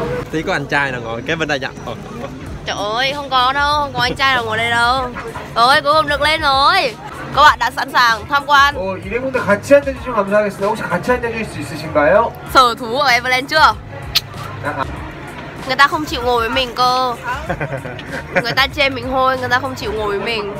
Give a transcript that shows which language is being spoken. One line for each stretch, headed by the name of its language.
Vietnamese: Tí có anh trai nào ngồi kế bên đây nhận. Trời ơi, không có đâu, không có anh trai nào ngồi đây đâu. Ôi, cuối cùng được lên rồi. Các bạn đã sẵn sàng tham quan.
Korean: Ồ, 이래분들 같이 앉아 주시면 감사하겠습니다. 혹시 같이 앉아 주실 수 있으신가요?
Vietnamese: Sở thú ở Everland chưa? Người ta không chịu ngồi với mình cơ. Người ta chê mình hôi, người ta không chịu ngồi với mình.